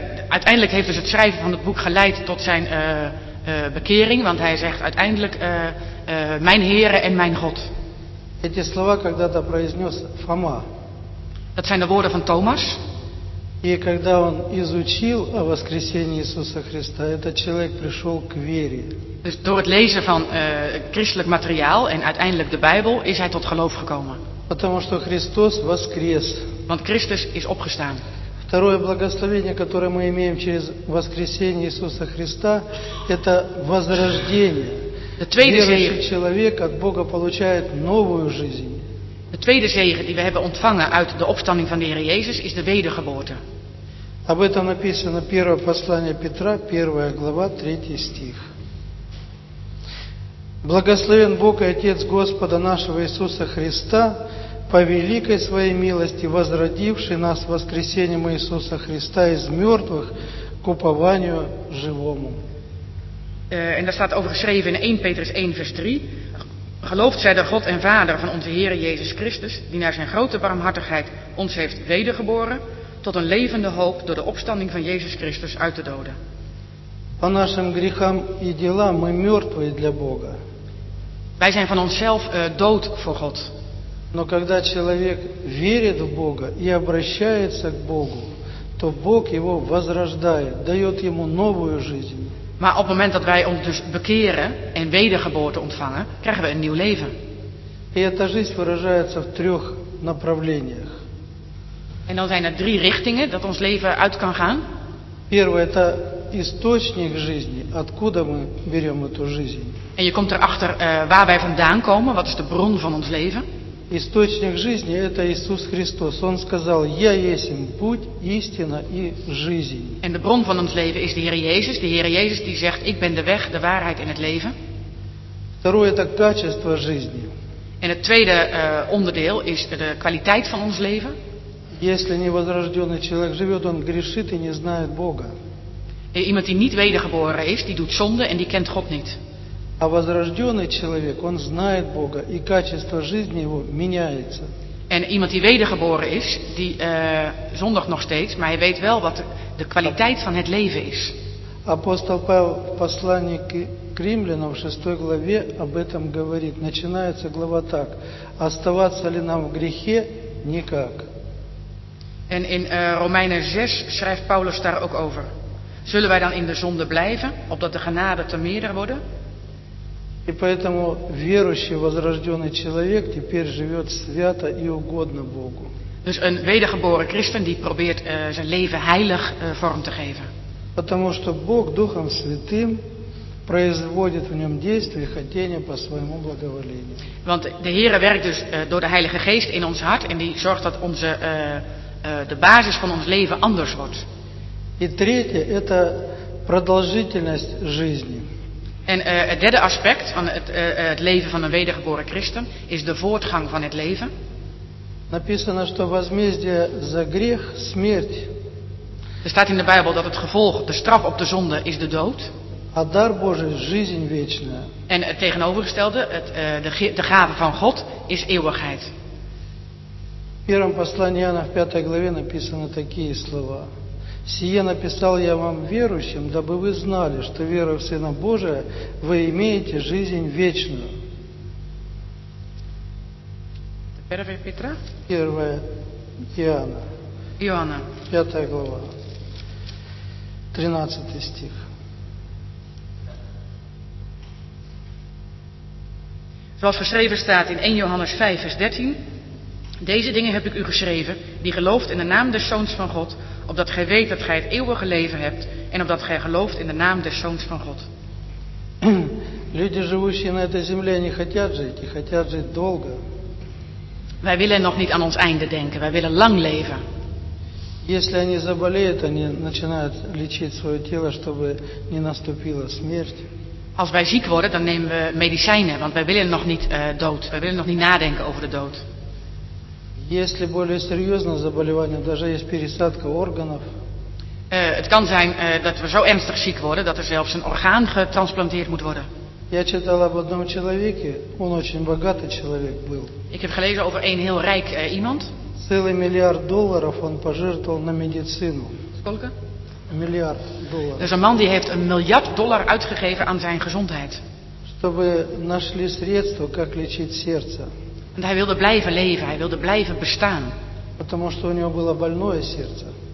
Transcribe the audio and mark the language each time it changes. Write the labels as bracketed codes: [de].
[nl] Uiteindelijk heeft dus het schrijven van het boek geleid tot zijn bekering, want hij zegt uiteindelijk: mijn Heere en mijn God. [ru] Эти слова когда-то произнес Фома. [nl] Dat zijn de woorden van Thomas. [ru] И когда он изучил о воскресении Иисуса Христа, этот человек пришел к вере. [nl] Dus door het lezen van christelijk materiaal en uiteindelijk de Bijbel is hij tot geloof gekomen. [ru] Потому что Христос воскрес. [nl] Want Christus is opgestaan. [ru] Второе благословение, которое мы имеем через воскресение Иисуса Христа, это возрождение. [nl] De tweede zegen. [ru] Верующий человек от Бога получает новую жизнь. [nl] De tweede zegen die we hebben ontvangen uit de opstanding van de Heer Jezus is de wedergeboorte. [ru] Об этом написано первое послание Петра, 1:3. Благословен Бог и Отец Господа нашего Иисуса Христа, по великой своей милости, возродивший нас воскресением Иисуса Христа из мертвых к упованию живому. [nl] En daar staat over geschreven in 1 Petrus 1:3. Gelooft zij de God en Vader van onze Heer Jezus Christus, die naar zijn grote barmhartigheid ons heeft wedergeboren, tot een levende hoop door de opstanding van Jezus Christus uit de doden. [ru] По нашим грехам и делам мы мертвые для Бога. [nl] Wij zijn van onszelf dood voor God. [ru] Но когда человек верит в Бога и обращается к Богу, то Бог его возрождает, дает ему новую жизнь. [nl] Maar op het moment dat wij ons dus bekeren en wedergeboorte ontvangen, krijgen we een nieuw leven. [ru] И эта жизнь выражается в 3 направлениях. [nl] En dan zijn er 3 richtingen dat ons leven uit kan gaan. [ru] Первое – это источник жизни, откуда мы берем эту жизнь. [nl] En je komt erachter waar wij vandaan komen, wat is de bron van ons leven. [ru] Источник жизни – это Иисус Христос. Он сказал: «Я есть путь, истина и жизнь». [nl] En de bron van ons leven is de Heer Jezus. De Heer Jezus die zegt: «Ik ben de weg, de waarheid en het leven». [ru] Второе – это качество жизни. [nl] En het tweede onderdeel is de kwaliteit van ons leven. [ru] Если невозрожденный человек живет, он грешит и не знает Бога. [nl] Iemand die niet wedergeboren is, die doet zonde en die kent God niet. [ru] А возрожденный человек, он знает Бога, и качество жизни его меняется. [nl] En iemand die wedergeboren is, die zondigt nog steeds, maar hij weet wel wat de kwaliteit van het leven is. [ru] Апостол Павел в послании к римлянам в 6 главе об этом говорит. Начинается глава так: оставаться ли нам в грехе? Никак. [nl] En in Romeinen 6 schrijft Paulus daar ook over. Zullen wij dan in de zonde blijven, opdat de genade te meerder worden? [ru] И поэтому верующий возрожденный человек теперь живет свято и угодно Богу. [nl] Dus een wedergeboren christen die probeert zijn leven heilig vorm te geven. [ru] Потому что Бог Духом Святым производит в нем действие и хотение по своему благоволению. [nl] Want de Heere werkt dus door de Heilige Geest in ons hart en die zorgt dat onze de basis van ons leven anders wordt. [ru] И третье – это продолжительность жизни. [nl] En het derde aspect van het leven van een wedergeboren christen is de voortgang van het leven. [ru] Написано, что возмездие за грех – смерть. [nl] Er staat in de Bijbel dat het gevolg, de straf op de zonde, is de dood. [ru] А дар Божий – жизнь вечная. [nl] En het tegenovergestelde, de gave van God, is eeuwigheid. [ru] В 1 послании Иоанна в 5 главе написаны такие слова. «Сие написал я вам верующим, дабы вы знали, что вера в Сына Божия, вы имеете жизнь вечную». Это 1 Петра? 1 Иоанна. Иоанна. 5 глава. 13 стих. [nl] Zoals geschreven staat in 1 Johannes 5, vers 13. Deze dingen heb ik u geschreven, die gelooft in de naam des Zoons van God, opdat gij weet dat gij het eeuwige leven hebt en opdat gij gelooft in de naam des Zoons van God. [ru] Люди, живущие на этой земле, не хотят жить, и хотят жить долго. [nl] Wij willen nog niet aan ons einde denken, wij willen lang leven. [ru] Если они заболеют, они начинают лечить свое тело, чтобы не наступила смерть. [nl] Als wij ziek worden, dan nemen we medicijnen, want wij willen nog niet dood. Wij willen nog niet nadenken over de dood. [ru] Если более серьезное заболевание, даже есть пересадка органов. [nl] Het kan zijn dat we zo ernstig ziek worden dat er zelfs een orgaan getransplanteerd moet worden. [ru] Я читал об одном человеке, он очень богатый человек был. [nl] Ik heb gelezen over een heel rijk iemand. [ru] Целый миллиард долларов он пожертвовал на медицину. Сколько? Миллиард долларов. [nl] Dus een man die heeft een miljard dollar uitgegeven aan zijn gezondheid. [ru] Чтобы нашли средства, как лечить сердце. [nl] Want hij wilde blijven leven, hij wilde blijven bestaan. [ru] Потому что у него было больное сердце.